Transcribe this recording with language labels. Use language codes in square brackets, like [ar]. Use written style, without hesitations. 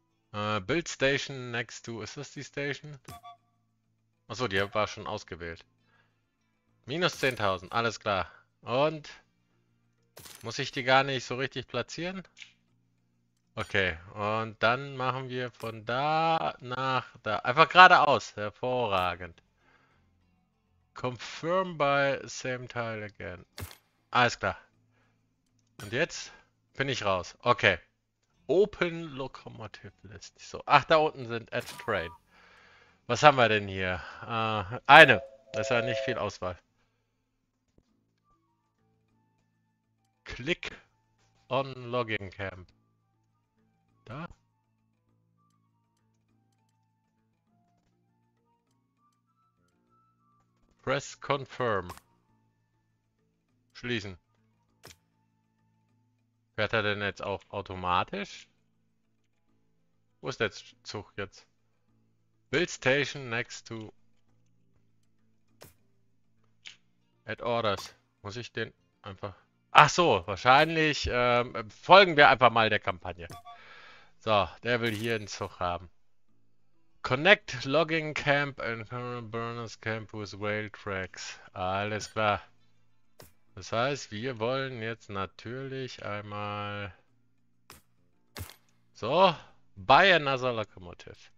[en] Build Station next to, [de] ist das die Station? Achso, die war schon ausgewählt. Minus 10.000, alles klar. Und. Muss ich die gar nicht so richtig platzieren? Okay, und dann machen wir von da nach da. Einfach geradeaus. Hervorragend. [en] Confirm by same tile again. [de] Alles klar. Und jetzt bin ich raus. Okay. [en] Open Locomotive List. [de] So, ach, da unten sind Edge Train. Was haben wir denn hier? Eine. Das war nicht viel Auswahl. [en] Click on Logging Camp. Da. Press Confirm. [de] Schließen. Fährt er denn jetzt auch automatisch? Wo ist der Zug jetzt? [en] Build Station next to. Add Orders. [de] Muss ich den einfach. Ach so, wahrscheinlich folgen wir einfach mal der Kampagne. So, der will hier einen Zug haben. [en] Connect Logging Camp and Burners Camp with Rail Tracks. [de] Alles klar. Das heißt, wir wollen jetzt natürlich einmal. [en] So, buy another locomotive.